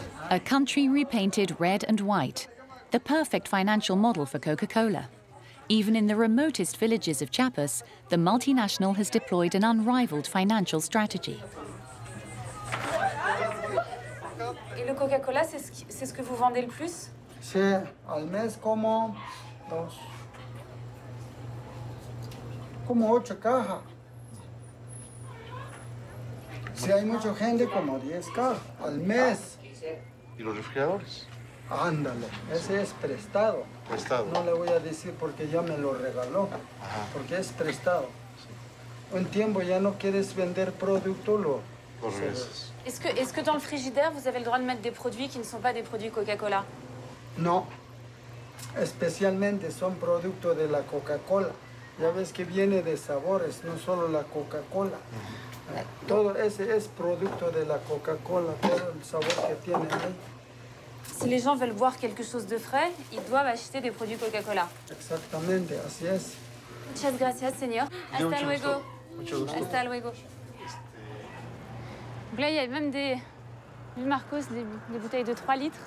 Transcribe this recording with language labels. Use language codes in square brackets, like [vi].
[en] A country repainted red and white, the perfect financial model for Coca-Cola. Even in the remotest villages of Chiapas, the multinational has deployed an unrivaled financial strategy. [fr] Et le Coca-Cola, c'est ce que vous vendez le plus? [es] C'est al mes como dos, como ocho cajas. Si hay mucha gente, como 10 cajas al mes. ¿Y los refrigeradores? Ándale, ese es prestado. Prestado. No le voy a decir porque ya me lo regaló. Ajá. Porque es prestado. Sí. Un tiempo ya no quieres vender producto, lo regresas. [fr] ¿Es que dans le frigidaire, vous avez le droit de mettre des produits qui ne sont pas des produits Coca-Cola? [es] No. Especialmente son productos de la Coca-Cola. Ya ves que viene de sabores, no solo la Coca-Cola. Uh-huh. Todo ese es producto de la Coca-Cola, todo el sabor que tiene ahí. [fr] Si les gens veulent boire quelque chose de frais, ils doivent acheter des produits Coca-Cola. [es] Exactamente, así es. Muchas gracias, señor. Hasta luego. Hasta luego. [fr] Donc là, il y a même des... Marcos, des bouteilles de 3 litres.